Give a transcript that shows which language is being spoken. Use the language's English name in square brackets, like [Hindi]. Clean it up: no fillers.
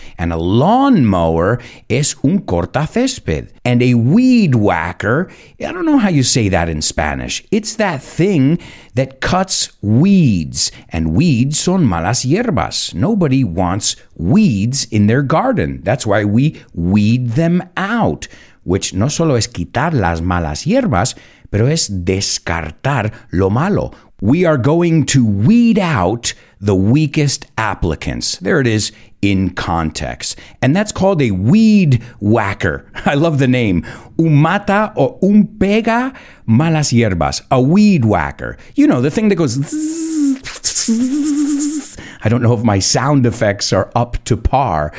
[English] And a lawnmower [Spanish] es un cortacésped. [English] And a weed whacker, I don't know how you say that in Spanish. It's that thing that cuts weeds. And weeds [Spanish] son malas hierbas. [English] Nobody wants weeds in their garden. That's why we weed them out. [Spanish] Which no solo es quitar las malas hierbas, pero es descartar lo malo. [English] We are going to weed out the weakest applicants. There it is in context. And that's called a weed whacker. I love the name. [Spanish] Un mata o un pega malas hierbas. [English] A weed whacker. You know, the thing that goes... I don't know if my sound effects are up to par.